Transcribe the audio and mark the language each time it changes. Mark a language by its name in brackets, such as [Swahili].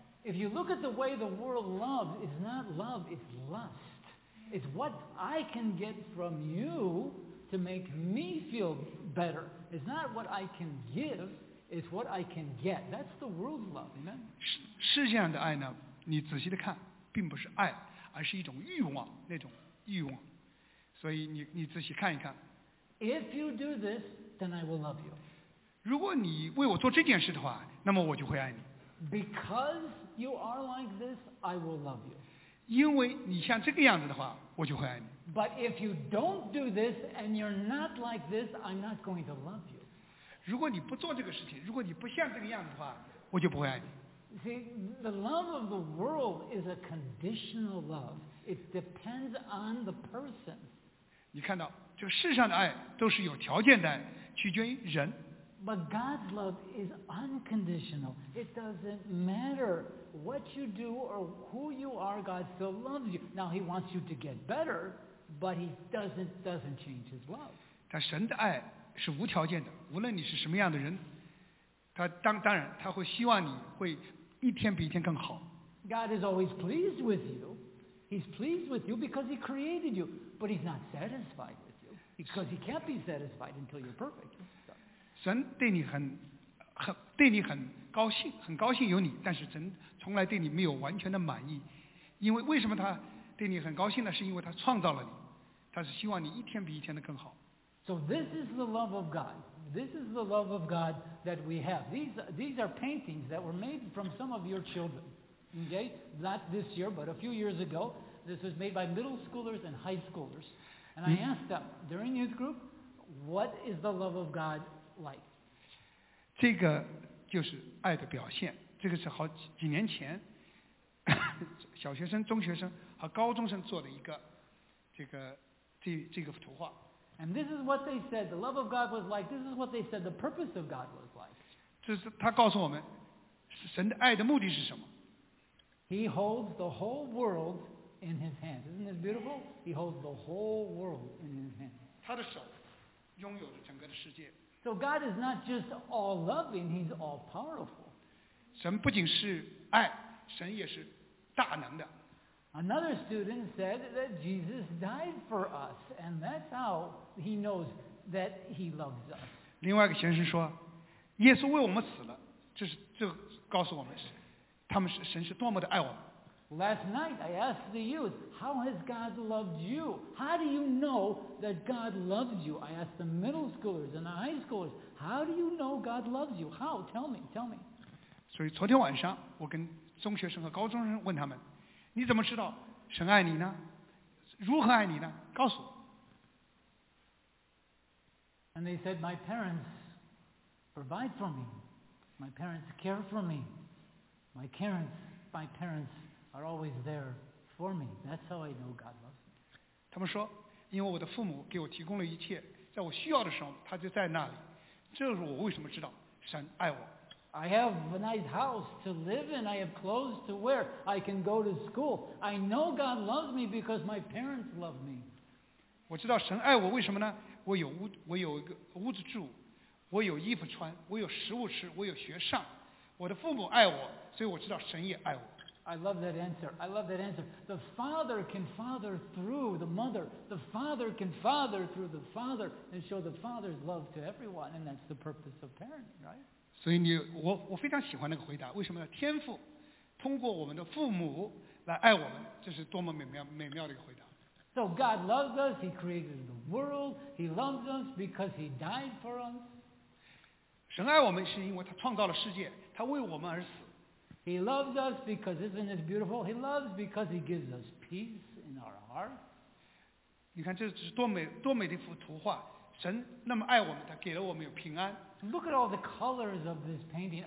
[English] If you look at the way the world loves, it's not love, it's lust. It's what I can get from you to make me feel better. It's not what I can give, it's what I can get. That's the world's love, amen? [Chinese] 世界上的爱呢，你仔细的看，并不是爱，而是一种欲望，那种欲望。所以你仔细看一看。 [English] If you do this, then I will love you. [Chinese] 如果你为我做这件事的话，那么我就会爱你。 [English] Because you are like this, I will love you. [Chinese] 因为你像这个样子的话，我就会爱你。 [English] But if you don't do this and you're not like this, I'm not going to love you. [Chinese] 如果你不做这个事情，如果你不像这个样子的话，我就不会爱你。 [English] See, the love of the world is a conditional love. It depends on the person. [Chinese] 你看到，这个世上的爱都是有条件的，取决于人。 [English] But God's love is unconditional. It doesn't matter what you do or who you are, God still loves you. Now he wants you to get better, but he doesn't change his love. [Chinese] 但神的爱是无条件的，无论你是什么样的人，当然他会希望你会一天比一天更好。 [English] God is always pleased with you. He's pleased with you because he created you, but he's not satisfied with you because he can't be satisfied until you're perfect. [Chinese] 神对你很高兴，很高兴有你，但是神从来对你没有完全的满意，因为为什么他对你很高兴呢？是因为他创造了你，他是希望你一天比一天的更好。 [English] So this is the love of God. This is the love of God that we have. These are paintings that were made from some of your children. Okay, not this year, but a few years ago. This was made by middle schoolers and high schoolers. And I asked them during youth group, "What is the love of God?" Like. [Chinese] 这个就是爱的表现。这个是好几年前小学生、中学生和高中生做的一个这个图画。 [English] And this is what they said. The love of God was like. This is what they said. The purpose of God was like. [Chinese] 这是他告诉我们，神的爱的目的是什么 [English] ？He holds the whole world in his hands. Isn't this beautiful? He holds the whole world in his hands. [Chinese] 他的手拥有着整个的世界。 [English] So God is not just all loving; He's all powerful. [Chinese] 神不仅是爱，神也是大能的。 [English] Another student said that Jesus died for us, and that's how he knows that he loves us. [Chinese] 另外一个先生说，耶稣为我们死了，这告诉我们是，神是多么的爱我们。 [English] Last night I asked the youth, "How has God loved you? How do you know that God loves you?" I asked the middle schoolers and the high schoolers, "How do you know God loves you? How? Tell me." [Chinese] 所以昨天晚上我跟中学生和高中生问他们，你怎么知道神爱你呢？如何爱你呢？告诉我。 [English] And they said, my parents provide for me. My parents care for me. My parents are always there for me. That's how I know God loves me. [Chinese] 他们说，因为我的父母给我提供了一切，在我需要的时候，他就在那里。这是我为什么知道神爱我。 [English] I have a nice house to live in. I have clothes to wear. I can go to school. I know God loves me because my parents love me. [Chinese] 我知道神爱我，为什么呢？我有一个屋子住，我有衣服穿，我有食物吃，我有学上。我的父母爱我，所以我知道神也爱我。 [English] I love that answer. I love that answer. The father can father through the mother. The father can father through the father and show the father's love to everyone. And that's the purpose of parenting, right? [Chinese] 所以你我非常喜欢那个回答。为什么呢？天父通过我们的父母来爱我们，这是多么美妙的一个回答。 [English] So God loves us. He created the world. He loves us because He died for us. [Chinese] 神爱我们是因为他创造了世界，他为我们而死。 [English] He loves us because isn't this beautiful? He loves because he gives us peace in our heart. [Chinese] 你看这是多美的一幅图画。神那么爱我们，他给了我们有平安。 [English] Look at all the colors of this painting.